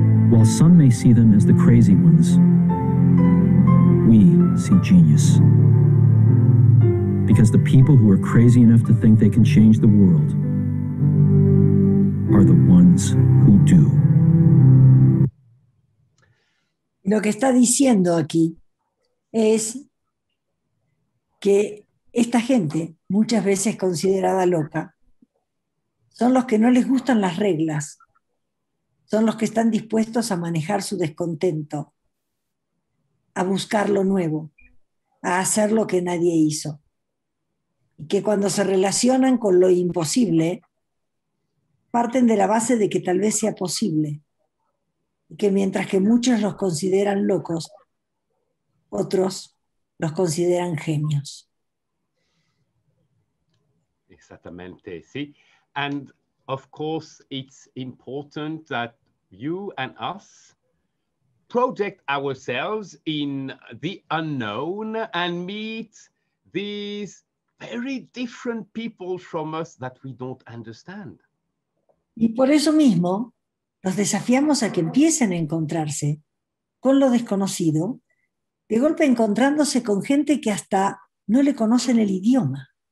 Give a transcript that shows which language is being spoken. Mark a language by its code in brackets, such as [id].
[en] While some may see them as the crazy ones, we see genius. Because the people who are crazy enough to think they can change the world are the ones who do. [es] Lo que está diciendo aquí es que esta gente, muchas veces considerada loca, son los que no les gustan las reglas. Son los que están dispuestos a manejar su descontento, a buscar lo nuevo, a hacer lo que nadie hizo. Y que cuando se relacionan con lo imposible, parten de la base de que tal vez sea posible, y que mientras que muchos los consideran locos, otros los consideran genios. Exactamente, sí. [en] And of course, it's important that you and us project ourselves in the unknown and meet these very different people from us that we don't understand. [es] Y por eso mismo, los desafiamos a que empiecen a encontrarse con lo desconocido, de golpe encontrándose con gente que hasta no le conocen el idioma.